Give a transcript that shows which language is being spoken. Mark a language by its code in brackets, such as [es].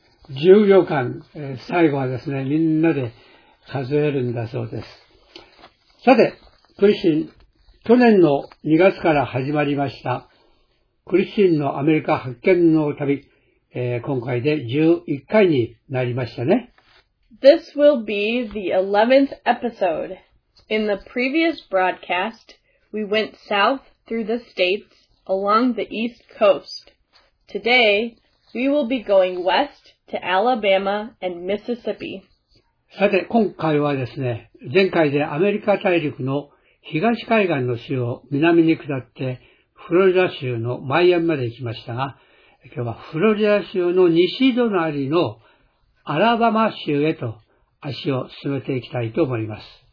[ja] 10秒間、最後はですね、みんなで数えるんだそうです。さて、クリスチン、去年の2月から始まりましたクリスチンのアメリカ発見の旅、今回で11回になりましたね。 [en] This will be the 11th episode. In the previous broadcast, we went south through the states along the east coast. Today, we will be going west to Alabama and Mississippi. [ja] さて、今回はですね、前回でアメリカ大陸の東海岸の州を南に下ってフロリダ州のマイアミまで行きましたが、今日はフロリダ州の西隣のアラバマ州へと足を進めていきたいと思います。